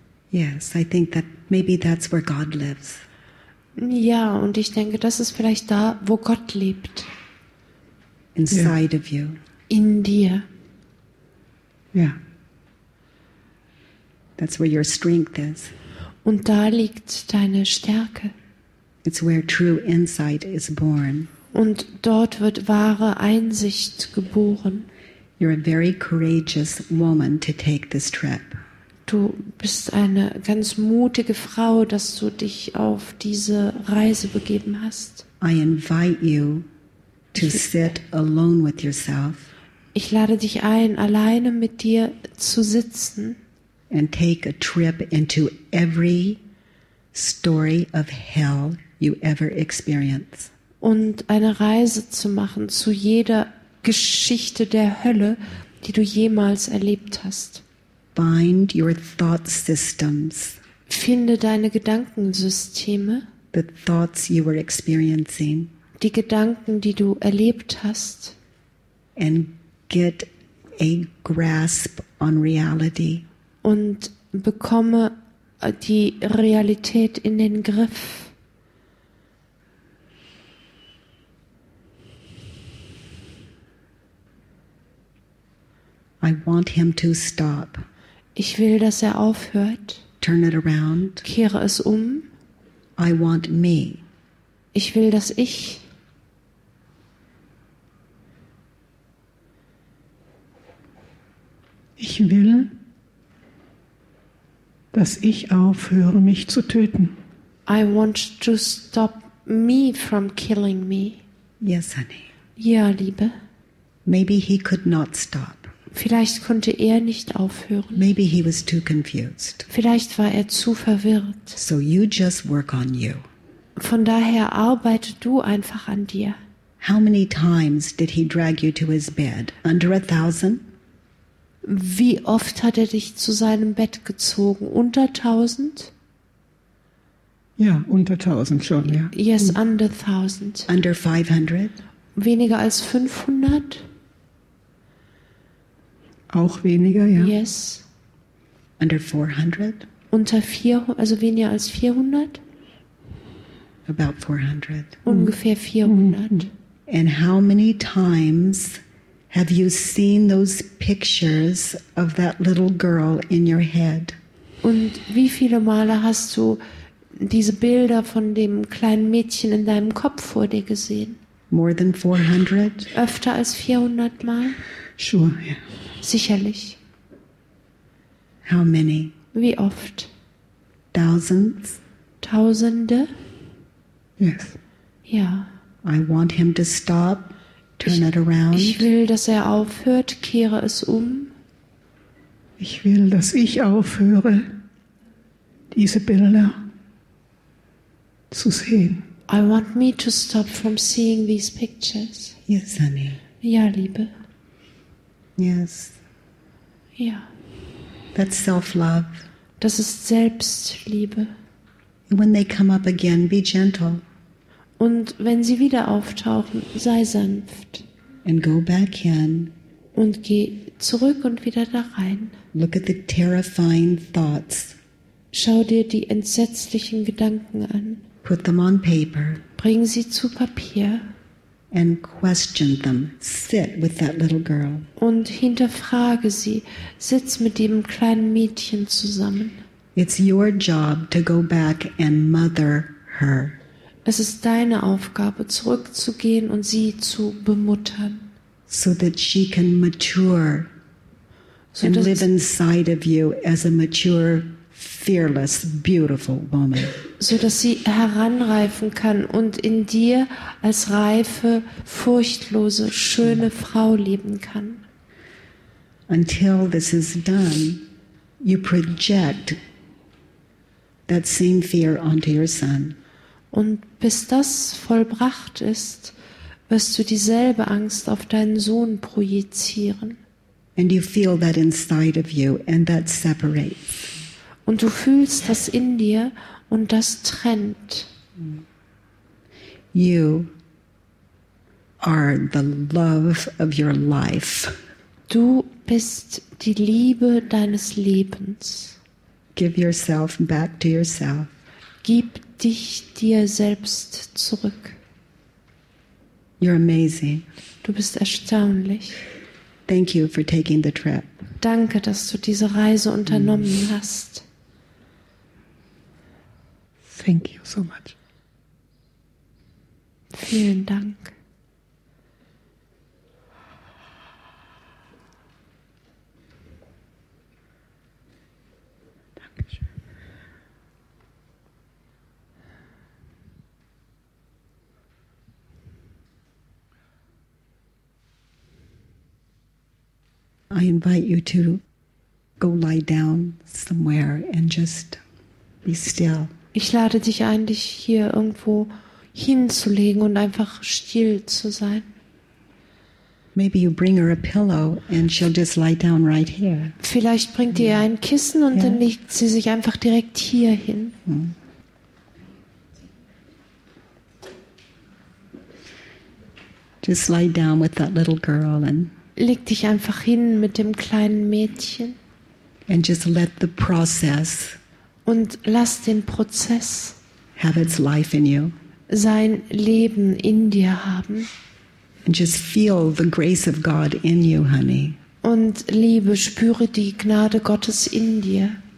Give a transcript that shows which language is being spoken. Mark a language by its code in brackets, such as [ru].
[en] Yes, I think that maybe that's where God lives. [de] Ja, und ich denke, das ist vielleicht da, wo Gott lebt. [en] Inside of you. [de] In dir. Ja. [en] That's where your strength is. [de] Und da liegt deine Stärke. [en] It's where true insight is born. [de] Und dort wird wahre Einsicht geboren. [en] You're a very courageous woman to take this trip. [de] Du bist eine ganz mutige Frau, dass du dich auf diese Reise begeben hast. [en] I invite you to sit alone with yourself. [de] Ich lade dich ein, alleine mit dir zu sitzen. [en] And take a trip into every story of hell you ever experience. [de] Und eine Reise zu machen zu jeder Geschichte der Hölle, die du jemals erlebt hast. [en] Find your thought systems. [de] Finde deine Gedankensysteme. [en] The thoughts you were experiencing. [de] Die Gedanken, die du erlebt hast. [en] And get a grasp on reality. [de] Und bekomme die Realität in den Griff. [en] I want him to stop. [de] Ich will, dass er aufhört. [en] Turn it around. [de] Kehre es um. [en] I want me. [de] Ich will, dass ich. Ich will, dass ich aufhöre, mich zu töten. [en] I want to stop me from killing me. Yes, honey. [de] Ja, Liebe. [en] Maybe he could not stop. [de] Vielleicht konnte er nicht aufhören. [en] Maybe he was too confused. [de] Vielleicht war er zu verwirrt. [en] So you just work on you. [de] Von daher arbeite du einfach an dir. [en] How many times did he drag you to his bed? Under 1,000? [de] Wie oft hat er dich zu seinem Bett gezogen? Unter 1,000? Ja, unter 1,000 schon, ja. [en] Yes, under 1,000. Under 500? [de] Weniger als 500? Auch weniger, ja. [en] Yes. Under 400? [de] Unter 400, also weniger als 400? [en] About 400. [de] Ungefähr 400. [en] And how many times have you seen those pictures of that little girl in your head? [de] Und wie viele Male hast du diese Bilder von dem kleinen Mädchen in deinem Kopf vor dir gesehen? [en] More than 400? [de] Öfter als 400 Mal? [en] Sure, [de] ja. Sicherlich. [en] How many? [de] Wie oft? [en] Thousands? [de] Tausende? [en] Yes. [de] Ja. [en] I want him to stop, turn it around. [de] Ich will, dass er aufhört, kehre es um. Ich will, dass ich aufhöre, diese Bilder zu sehen. [en] I want me to stop from seeing these pictures. Yes, honey. [de] Ja, Liebe. [en] Yes. [de] Ja. [en] That's self-love. [de] Das ist Selbstliebe. [en] When they come up again, be gentle. [de] Und wenn sie wieder auftauchen, sei sanft. [en] And go back in. [de] Und geh zurück und wieder da rein. [en] Look at the terrifying thoughts. [de] Schau dir die entsetzlichen Gedanken an. [en] Put them on paper. [de] Bring sie zu Papier. [en] And question them. Sit with that little girl. [de] Und hinterfrage sie. Sitz mit dem kleinen Mädchen zusammen. [en] It's your job to go back and mother her. [de] Es ist deine Aufgabe, zurückzugehen und sie zu bemuttern. [en] So that she can mature and live inside of you as a mature, fearless, beautiful woman. [de] So dass sie heranreifen kann und in dir als reife, furchtlose, schöne Frau leben kann. [en] Until this is done, you project that same fear onto your son. [de] Und bis das vollbracht ist, wirst du dieselbe Angst auf deinen Sohn projizieren. [en] And you feel that inside of you, and that separates. [de] Und du fühlst das in dir und das trennt. [en] You are the love of your life. [de] Du bist die Liebe deines Lebens. [en] Give yourself back to yourself. [de] Gib dich dir selbst zurück. [en] You're amazing. [de] Du bist erstaunlich. [en] Thank you for taking the trip. [de] Danke, dass du diese Reise unternommen hast. [en] Thank you so much. [de] Vielen Dank. [en] I invite you to go lie down somewhere and just be still. [de] Ich lade dich ein, dich hier irgendwo hinzulegen und einfach still zu sein. [en] Maybe you bring her a pillow and she'll just lie down right here. [de] Vielleicht bringt ihr ein Kissen und dann legt sie sich einfach direkt hier hin. [en] Just lie down with that little girl and [de] leg dich einfach hin mit dem kleinen Mädchen. [en] And just let the process [de] und lass den Prozess [en] have its life in you. [de] Sein Leben in dir haben. [en] And just feel the grace of God in you, honey. [de] Und Liebe, spüre die Gnade Gottes in dir.